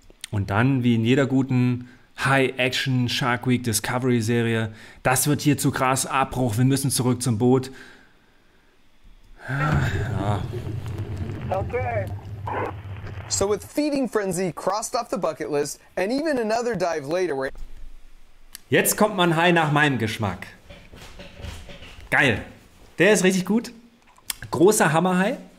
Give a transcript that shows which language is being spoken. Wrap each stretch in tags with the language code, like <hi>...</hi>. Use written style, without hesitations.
<de>Und dann, wie in jeder guten High-Action Shark Week Discovery-Serie, das wird hier zu krass, Abbruch, wir müssen zurück zum Boot. Okay.</de> <en>So with Feeding Frenzy crossed off the bucket list and even another dive later.</en> <de>Jetzt kommt mein Hai nach meinem Geschmack. Geil. Der ist richtig gut. Großer Hammerhai.</de>